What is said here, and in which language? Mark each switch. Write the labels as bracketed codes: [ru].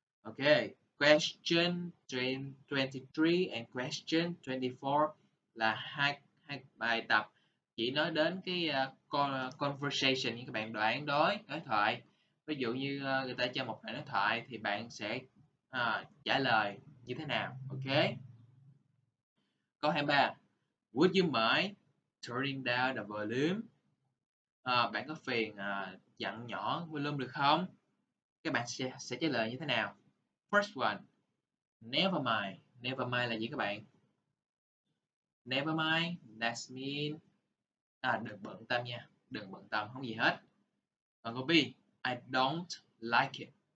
[en] Ok, question 23 and question 24 [vi] là hai bài tập chỉ nói đến cái conversation nha các bạn, [en] đoán đối đối thoại. [vi] Ví dụ như người ta cho một bài đối thoại thì bạn sẽ trả lời như thế nào? [en] Ok, [vi] câu 23, [en] would you mind turning down the volume? [vi] Bạn có phiền dặn nhỏ volume được không? Các bạn sẽ trả lời như thế nào? [en] First one, Never mind. Never mind là gì các bạn? Never mind, that's mean. [vi] À, đừng bận tâm nha. Đừng bận tâm, không gì hết. Còn câu B, [en] I don't like it.